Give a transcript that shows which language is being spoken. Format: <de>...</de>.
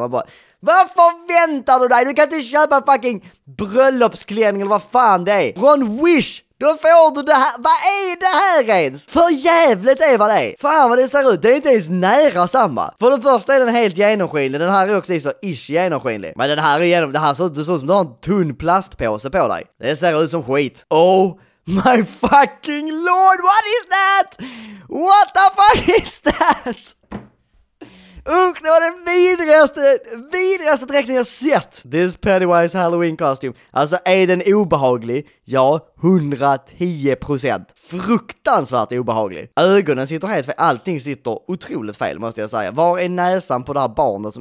<sv>Man bara, vad förväntar du dig? Du kan inte köpa fucking bröllopsklänning eller vad fan det är. Från Wish, då får du det här. Vad är det här ens? För jävligt är vad det är. Fan vad det ser ut. Det är inte ens nära samma. För det första är den helt genomskinlig. Den här är också så ish genomskinlig. Men den här är genom, det här ser ut som någon tunn plastpåse på dig. Det ser ut som skit.</sv> <en>Oh my fucking lord, what is that? What the fuck is that?</en> <sv>Usch, det var den vidrigaste dräkten jag sett.</sv> <en>This Pennywise Halloween costume.</en> <sv>Alltså, är den obehaglig? Ja, 110%. Fruktansvärt obehaglig. Ögonen sitter helt fel. Allting sitter otroligt fel, måste jag säga. Var är näsan på det här barnet?</sv>